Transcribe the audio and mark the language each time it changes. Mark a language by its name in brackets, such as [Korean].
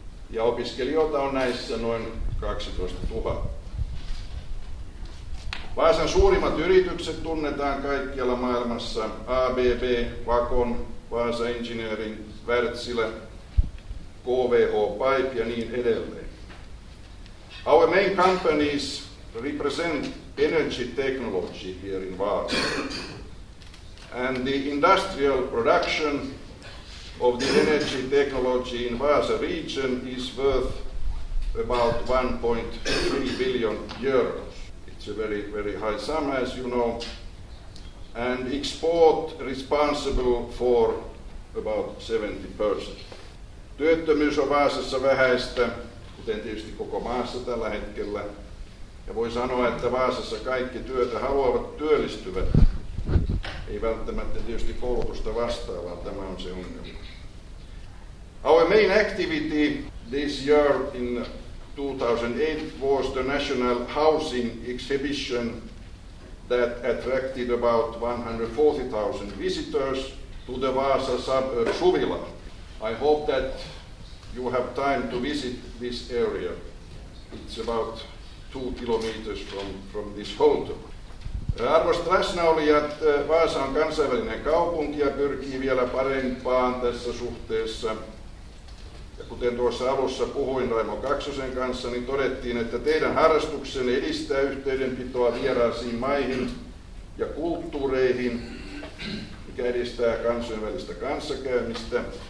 [Finnish] Ja opiskelijoita on näissä noin 12 000. Vaasan suurimmat yritykset tunnetaan kaikkialla maailmassa, ABB, Vakon, Vaasa Engineering, Wärtsilä, KVH Pipe ja niin edelleen. [English] Our main companies represent energy technology here in Vaasa. And the industrial production of the energy technology in Vaasa region is worth about 1.3 billion euros. It's a very, very high sum, as you know. And export responsible for about 70%. [Finnish] Työttömyys on Vaasassa vähäistä, kuten tietysti koko maassa tällä hetkellä. Ja voi sanoa, että Vaasassa kaikki työtä haluavat työllistyvät. Ei välttämättä tietysti koulutusta vastaa, vaan tämä on se ongelma. [English] Our main activity this year in 2008 was the National Housing Exhibition that attracted about 140,000 visitors to the Vaasa suburb Suvila. I hope that you have time to visit this area. It's about 2 kilometers from this hotel. [Finnish] Arvoisat läsnäolijat, Vaasa on kansainvälinen kaupunki ja pyrkii vielä parempaan tässä suhteessa. Ja kuten tuossa alussa puhuin Raimo Kaksosen kanssa, niin todettiin, että teidän harrastuksenne edistää yhteydenpitoa vieraisiin maihin ja kulttuureihin, mikä edistää kansainvälistä kanssakäymistä.